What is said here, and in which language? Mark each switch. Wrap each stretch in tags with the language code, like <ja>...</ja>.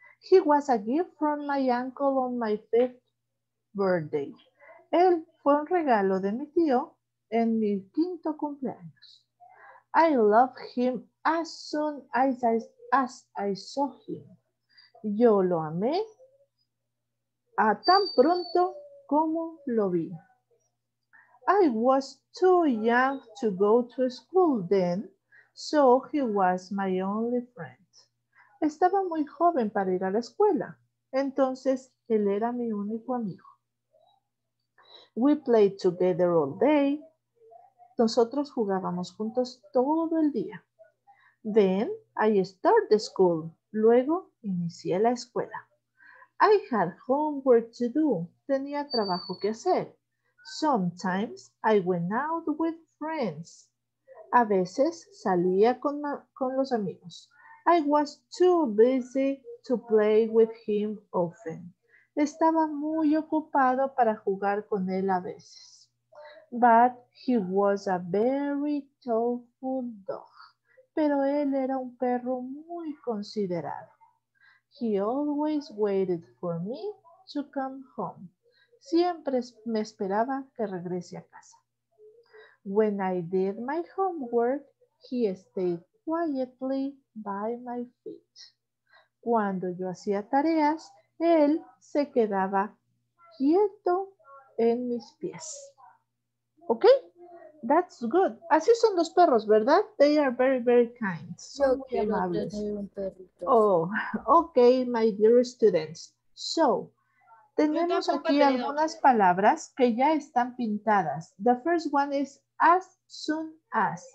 <en>He was a gift from my uncle on my 5th birthday.</en> <es>Él fue un regalo de mi tío en mi 5º cumpleaños.</es> <en>I loved him as soon as I saw him.</en> <es>Yo lo amé a tan pronto como lo vi.</es> <en>I was too young to go to school then, so he was my only friend.</en> <es>Estaba muy joven para ir a la escuela, entonces él era mi único amigo.</es> <en>We played together all day.</en> <es>Nosotros jugábamos juntos todo el día.</es> <en>Then I started school.</en> <es>Luego inicié la escuela.</es> <en>I had homework to do.</en> <es>Tenía trabajo que hacer.</es> <en>Sometimes I went out with friends.</en> <es>A veces salía con los amigos.</es> <en>I was too busy to play with him often.</en> <es>estaba muy ocupado para jugar con él a veces.</es> <en>But he was a very thoughtful dog.</en> <es>Pero él era un perro muy considerado.</es> <en>He always waited for me to come home.</en> <es>Siempre me esperaba que regrese a casa.</es> <en>When I did my homework, he stayed quietly by my feet.</en> <es>Cuando yo hacía tareas, él se quedaba quieto en mis pies. ¿Ok?</es> <en>That's good.</en> <es>Así son los perros, ¿verdad?</es> <en>They are very, very kind.</en> <es>Son yo muy amables.</es> <en>Oh, ok, my dear students.</en> <es>So, tenemos aquí algunas palabras que ya están pintadas.</es> <en>The first one is as soon as.</en>